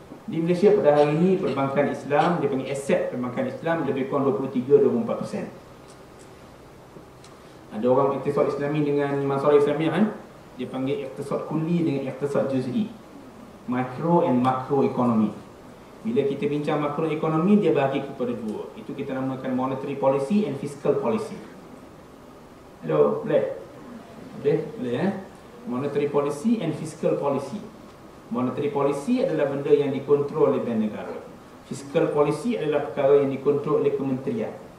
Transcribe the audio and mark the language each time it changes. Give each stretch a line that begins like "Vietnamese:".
Malay: Di Malaysia pada hari ini, perbankan Islam, dia panggil aset perbankan Islam, lebih kurang 23-24%. Ada orang iktisad Islami dengan Mansarah Islamiah, kan? Dia panggil iktisad kulli dengan iktisad juz'i.
English: Micro and macro economy.
Malay: Bila kita bincang macro economy, dia bagi kepada dua. Itu kita namakan
English: monetary policy and fiscal policy.
Malay: Hello, boleh? Boleh, ya?
English: Monetary policy and fiscal policy.
Malay: Monetary policy adalah benda yang dikontrol oleh bank negara. Fiscal policy adalah perkara yang dikontrol oleh kementerian.